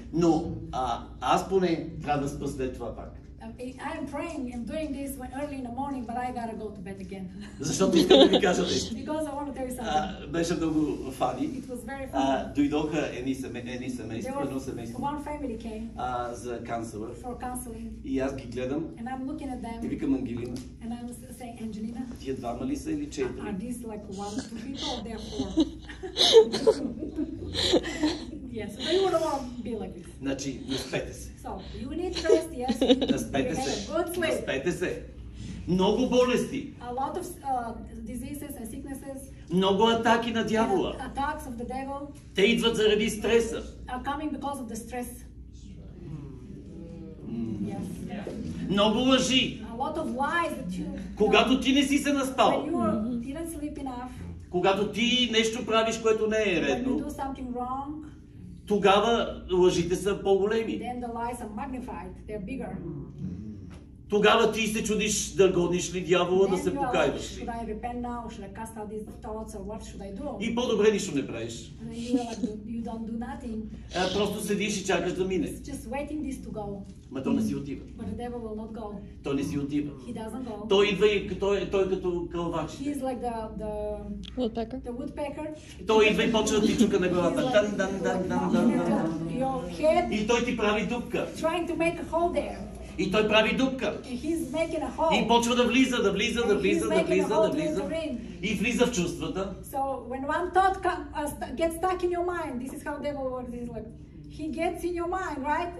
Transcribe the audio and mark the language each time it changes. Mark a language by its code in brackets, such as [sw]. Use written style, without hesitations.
[bg] Но аз поне трябва да спа след това пак. [en] I'm praying and doing this when early in the morning, but I gotta go to bed again. [bg] Защото искам да ви кажа нещо. [en] Because I want to tell you something. [bg] Беше много фани. [en] It was very funny. [bg] Дойдоха едни семейство. [en] One family came. [bg] За канцелър. [en] For counseling. [bg] И аз ги гледам. [en] And I'm looking at them. [bg] И викам Ангелина. [en] And I'm saying Angelina. [bg] Тие двама ли са или четири? [en] Are these like one, two people or they're four? Yes, but you wouldn't want to be like this. [bg] Значи, наспете се. [en] So, you need rest, yes. [bg] Наспете се. [en] Good sleep. [bg] Наспете се. Много болести. [en] A lot of diseases and sicknesses. [bg] Много атаки на дявола. [en] Attacks of the devil. [bg] Те идват заради стреса. [en] Are coming because of the stress. [bg] Много лъжи. [en] A lot of lies that you... [bg] Когато ти не си се наспал. [en] When you didn't sleep enough. [bg] Когато ти нещо правиш, което не е редно. [en] When you do something wrong. [bg] Тогава лъжите са по-големи. [en] Then the lies are magnified. They're bigger. [bg] Тогава ти се чудиш да гониш ли дявола, да се покаяваш ли. [en] Should I repent now? Should I cast out these thoughts or what should I do? [bg] И по-добре нищо не правиш. [en] You don't do nothing. [bg] Просто седиш и чакаш да мине. [en] Just waiting this to go. [bg] Ма той не си отива. [en] But the devil will not go. [bg] Той не си отива. [en] He doesn't go. [bg] Той идва и той като кълвач. [en] He is like the woodpecker. The woodpecker. [bg] Той идва и почва да ти чука на главата. Дан дан дан дан дан. [en] Your head. [bg] И той ти прави дупка. [en] Trying to make a hole there. [bg] И той прави дупка. И почва да влиза, да влиза, да влиза, да влиза, да влиза. И влиза в чувствата. [en] So when one thought gets stuck in your mind, this is how devil works. It's like he gets in your mind, right?